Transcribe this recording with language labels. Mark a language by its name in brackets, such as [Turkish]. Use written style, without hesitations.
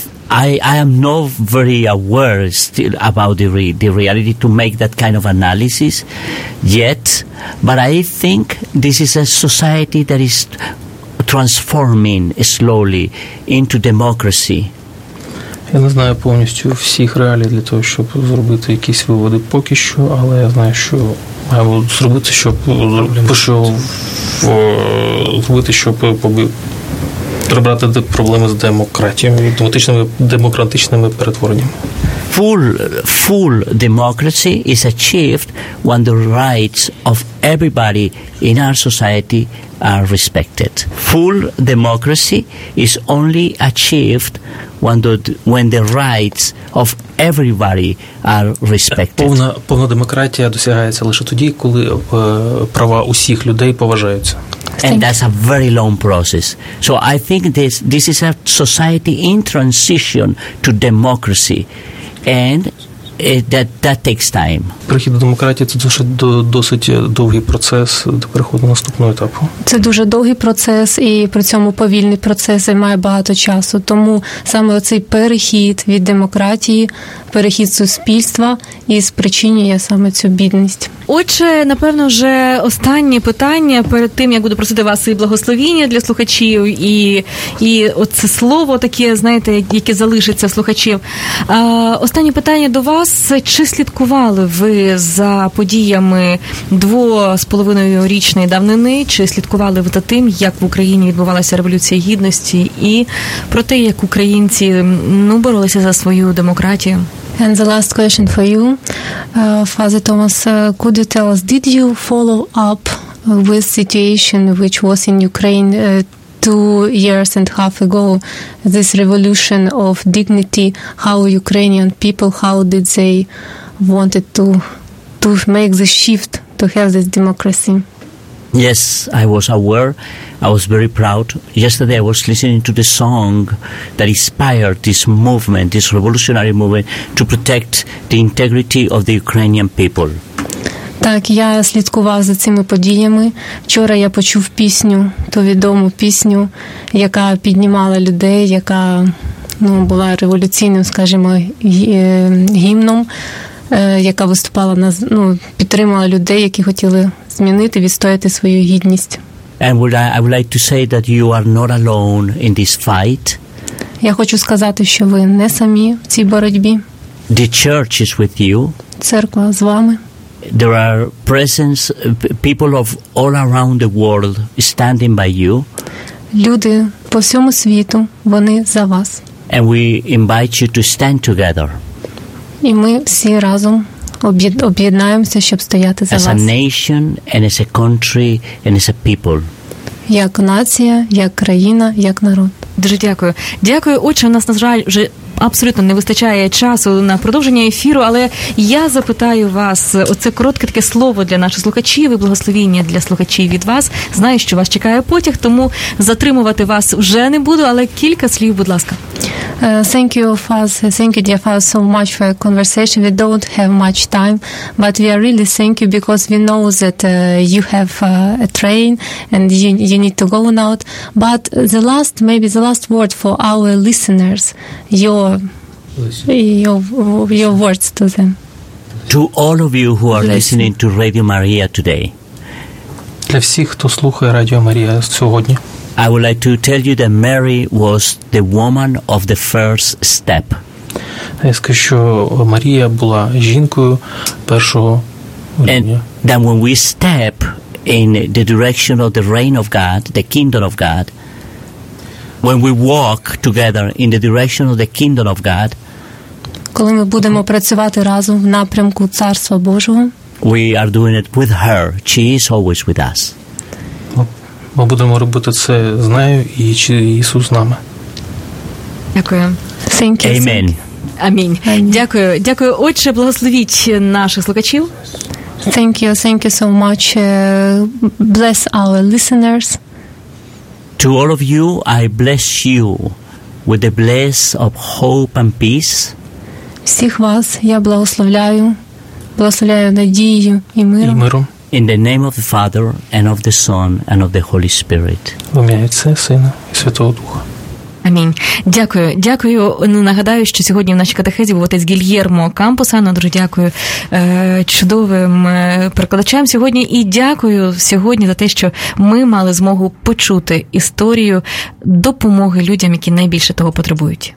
[English] I am not very aware still about the reality to make that kind of analysis yet, but I think this is a society that is transforming slowly into democracy. [Ukrainian] Я не знаю повністю всіх реалій для того, щоб зробити якісь виводи поки що, але я знаю, що маємо зробити, щоб прибрати проблеми з демократією, демократичними перетвореннями. [English] Full democracy is achieved when the rights of everybody in our society are respected. Full democracy is only achieved when the rights of everybody are respected. [Ukrainian] Повна демократія досягається лише тоді, коли права усіх людей поважаються. [English] And that's a very long process. So I think this is a society in transition to democracy. And that takes time. [Ukrainian] Перехід до демократії – це дуже досить довгий процес до переходу наступного етапу. Це дуже довгий процес і при цьому повільний процес і має багато часу. Тому саме оцей перехід від демократії, перехід суспільства і спричинює саме цю бідність. Отже, напевно, вже останнє питання перед тим, як буду просити вас і благословіння для слухачів, і оце слово таке, знаєте, яке залишиться слухачів. Останнє питання до вас. Чи слідкували ви за подіями 2,5-річної давнини? Чи слідкували ви за тим, як в Україні відбувалася Революція Гідності? І про те, як українці боролися за свою демократію? [English] And the last question for you, Father Thomas, could you tell us, did you follow up with situation which was in Ukraine 2.5 years ago, this revolution of dignity, how Ukrainian people, how did they wanted to make the shift to have this democracy? Yes, I was aware. I was very proud. Yesterday I was listening to the song that inspired this movement, this revolutionary movement, to protect the integrity of the Ukrainian people. [Ukrainian] Так, я слідкував за цими подіями. Вчора я почув пісню, ту відому пісню, яка піднімала людей, яка ну, була революційним, скажімо, гімном, яка виступала на, ну, підтримала людей, які хотіли змінити, відстояти свою гідність. [English] And would I like to say that you are not alone in this fight. [Ukrainian] Я хочу сказати, що ви не самі в цій боротьбі. [English] The church is with you. [Ukrainian] Церква з вами. [English] There are presence people of all around the world standing by you. [Ukrainian] Люди по всьому світу, вони за вас. [English] And we invite you to stand together. [Ukrainian] І ми всі разом об'єднаємося, щоб стояти за вас. [English] As a nation and as a country and as a people. [Ukrainian] Як нація, як країна, як народ. Дуже дякую. Дякую, отче, у нас, на жаль, вже абсолютно не вистачає часу на продовження ефіру, але я запитаю вас, оце коротке таке слово для наших слухачів і благословіння для слухачів від вас. Знаю, що вас чекає потяг, тому затримувати вас вже не буду, але кілька слів, будь ласка. [English] Thank you, Father. Thank you, dear Father, so much for your conversation. We don't have much time, but we are really thank you because we know that you have a train and you need to go now. But the last, maybe the last word for our listeners, your words to them. To all of you who are listening to Radio Maria today. [Ukrainian] Для всіх, хто слухає Радіо Марія сьогодні. [English] I would like to tell you that Mary was the woman of the first step. [Ukrainian] Я скажу, що Марія була жінкою першого рівня. [English] And then when we step in the direction of the reign of God, the kingdom of God, when we walk together in the direction of the kingdom of God, [Ukrainian] коли ми будемо працювати разом в напрямку Царства Божого, [English] we are doing it with her. She is always with us. [Ukrainian] Ми будемо робити це з нею і чи Ісус з нами. Дякую. [English] Thank you. Amen. [Ukrainian] Амінь. Дякую. Дякую, отче, благословіть наших слухачів. [English] Thank you so much. Bless our listeners. To all of you, I bless you with the bless of hope and peace. [Ukrainian] Всіх вас я благословляю. Благословляю надією і миром. І миром. [English] In the name of the Father and of the Son and of the Holy Spirit. [Ukrainian] В ім'я Отця, Сина і Святого Духа. Амінь. Дякую. Дякую. Нагадаю, що сьогодні в нашій катехезі був отець Гільєрмо Кампусано. Дуже дякую чудовим перекладачам сьогодні. І дякую сьогодні за те, що ми мали змогу почути історію допомоги людям, які найбільше того потребують.